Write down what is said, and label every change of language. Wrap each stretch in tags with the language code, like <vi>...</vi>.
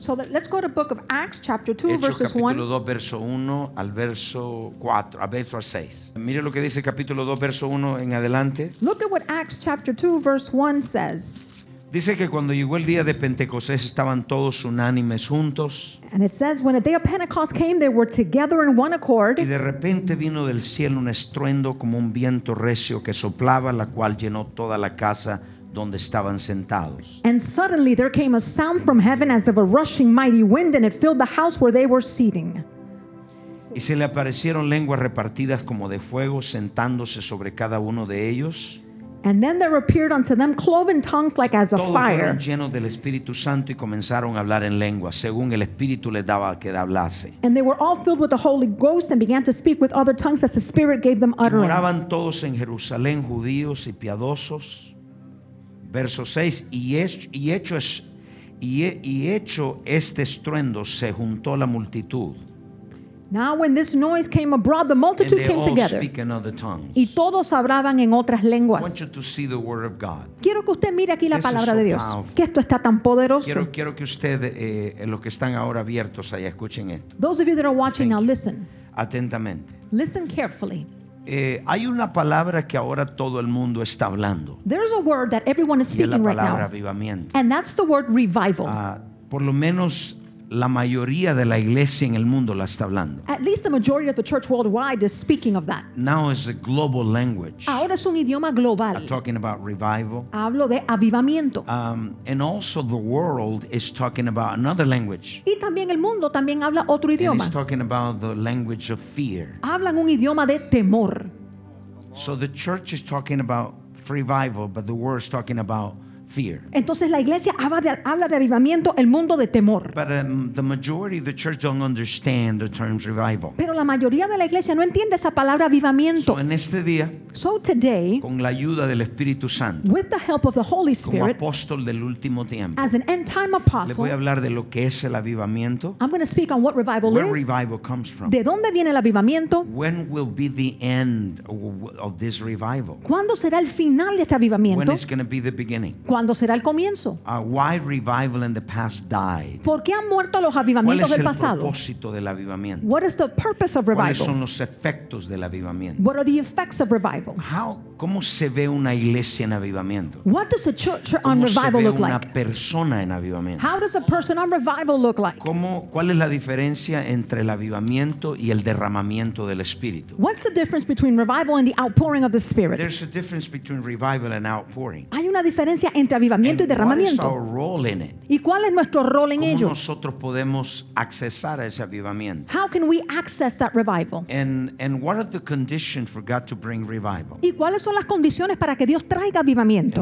<en>So let's go to Book of Acts, chapter 2,</en> <es>Hechos,</es> <en>verses</en> <es>1. Capítulo 2, verso 1 al verso 4, al verso 6. Mire lo que dice capítulo 2, verso 1 en adelante.</es> <en>Look at what Acts, chapter 2, verse 1 says.</en> <es>Dice que cuando llegó el día de Pentecostés estaban todos unánimes juntos.</es> <en>And it says when the day of Pentecost came they were together in one accord.</en> <es>Y de repente vino del cielo un estruendo como un viento recio que soplaba, la cual llenó toda la casa donde estaban sentados.</es> <en>And suddenly there came a sound from heaven as of a rushing mighty wind, and it filled the house where they were sitting.</en> <es>Y se le aparecieron lenguas repartidas como de fuego, sentándose sobre cada uno de ellos.</es> <en>And then there appeared unto them cloven tongues like as a fire.</en> <es>Todos llenos del Espíritu Santo y comenzaron a hablar en lengua, según el Espíritu les daba que hablase.</es> <en>And they were all filled with the Holy Ghost and began to speak with other tongues as the Spirit gave them utterance.</en> <es>Y moraban todos en Jerusalén, judíos y piadosos. Verso 6, y hecho este estruendo, se juntó la multitud.</es> <en>Now when this noise came abroad, the multitude came together. And they all speak in other tongues.</en> <es>Y todos hablaban en otras lenguas.</es> <en>I want you to see the word of God.</en> <es>Quiero que usted mire aquí la palabra de Dios.</es> <en>Powerful.</en> <es>Que esto está tan poderoso. Quiero que usted, los que están ahora abiertos allá, escuchen esto.</es> <en>Those of you that are watching now, listen.</en> <es>Atentamente.</es> <en>Listen carefully.</en> <es>Hay una palabra que ahora todo el mundo está hablando.</es> <en>There's a word that everyone is speaking right now.</en> <es>Y es la palabra avivamiento.</es> <en>And that's the word revival.</en> <es>Por lo menos la mayoría de la iglesia en el mundo la está hablando.</es> <en>At least the majority of the church worldwide is speaking of that. Now is a global language.</en> <es>Ahora es un idioma global.</es> <en>I'm talking about revival.</en> <es>Hablo de avivamiento.</es> <en>And also the world is talking about another language.</en> <es>Y también el mundo también habla otro idioma.</es> <en>And it's talking about the language of fear.</en> <es>Hablan un idioma de temor.</es> <en>So the church is talking about revival, but the world is talking about fear.</en> <es>Entonces la iglesia habla de avivamiento, el mundo de temor.</es> <en>But the majority of the church don't understand the term revival.</en> <es>Pero la mayoría de la iglesia no entiende esa palabra avivamiento. So en este día,</es> <en>so today,</en> <es>con la ayuda del Espíritu Santo,</es> <en>with the help of the Holy Spirit,</en> <es>como apóstol del último tiempo,</es> <en>as an end time apostle,</en> <es>le voy a hablar de lo que es el avivamiento.</es> <en>I'm going to speak on what revival where is. Where revival comes from.</en> <es>¿De dónde viene el avivamiento?</es> <en>When will be the end of this revival?</en> <es>¿Cuándo será el final de este avivamiento?</es> <en>When is going to be the beginning?</en> <es>¿Cuándo será el comienzo?</es> <en>Why revival in the past died?</en> <es>¿Por qué han muerto los avivamientos del pasado? ¿Cuál es el propósito del avivamiento?</es> <en>What is the purpose of revival?</en> <es>¿Cuáles son los efectos del avivamiento?</es> <en>What are the effects of revival?</en> <es>¿Cómo se ve una iglesia en avivamiento?</es> <en>What does a church on revival look like?</en> <es>¿Cómo se ve una persona en avivamiento?</es> <en>How does a person on revival look like?</en> <es>¿Cuál es la diferencia entre el avivamiento y el derramamiento del Espíritu?</es> <en>What's the difference between revival and the outpouring of the Spirit? There's a difference between revival and outpouring.</en> <es>Hay una diferencia entre avivamiento</es> <en>and</en> <es>y derramamiento.</es> <en>What is our role in it?</en> <es>¿Y cuál es nuestro rol en ello? ¿Cómo nosotros podemos accesar a ese avivamiento?</es> <en>How can we access that revival? And what are the conditions for God to bring revival?</en> <es>¿Y cuáles son las condiciones para que Dios traiga avivamiento?</es>